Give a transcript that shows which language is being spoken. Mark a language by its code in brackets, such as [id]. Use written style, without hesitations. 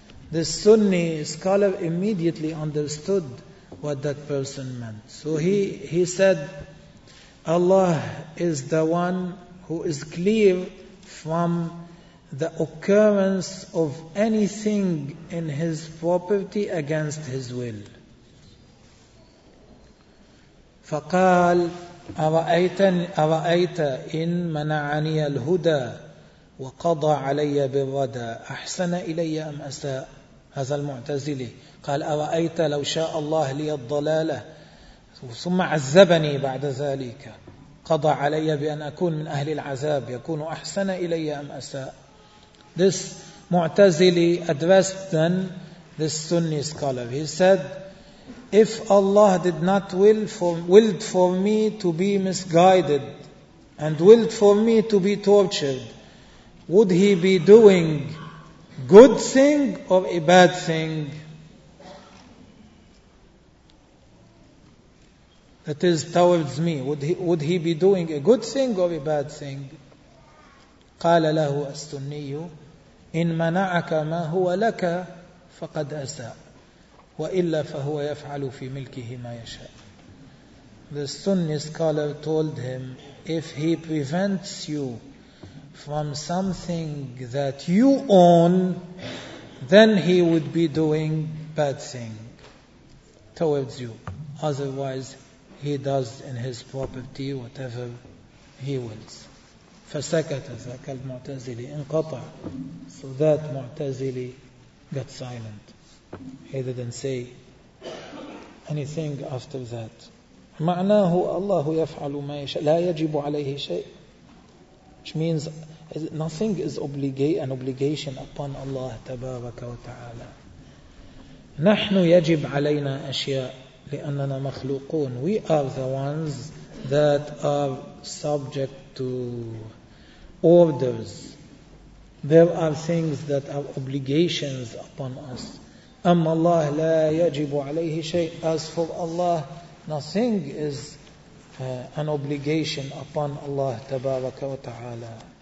[en] The Sunni scholar immediately understood what that person meant. So he said, Allah is the one who is clear from the occurrence of anything in his property against his will. [ar] فقال أرأيت إن منعني الهدى وقضى علي بالردى أحسن إلي أم أساء. هذا المعتزلي قال أرأيت لو شاء الله لي الضلالة ثم عذبني بعد ذلك قضى علي بأن أكون من أهل العذاب يكون أحسن إلي أم أساء. [en] This معتزلي addressed then this Sunni scholar. He said, if Allah did not willed for me to be misguided and willed for me to be tortured, would He be doing good thing or a bad thing? That is towards me. Would he be doing a good thing or a bad thing? [ar] قال له السني إن منعك ما هو لك فقد أساء وإلا فهو يفعل في ملكه ما يشاء. [en] The Sunni scholar told him, if he prevents you from something that you own, then he would be doing bad thing towards you. Otherwise, he does in his property whatever he wills. [ar] فسكت ذاك المعتزلي انقطع. [en] So that معتزلي got silent. He didn't say anything after that. [ar] معناه الله يفعل ما يشاء لا يجب عليه شيء. [en] Which means nothing is an obligation upon Allah تبارك وتعالى. [ar] نحن يجب علينا أشياء لأننا مخلوقون. [en] We are the ones that are subject to orders. There are things that are obligations upon us. [ar] أما الله لا يجب عليه شيء. [en] As for Allah, nothing is an obligation upon Allah تبارك وتعالى.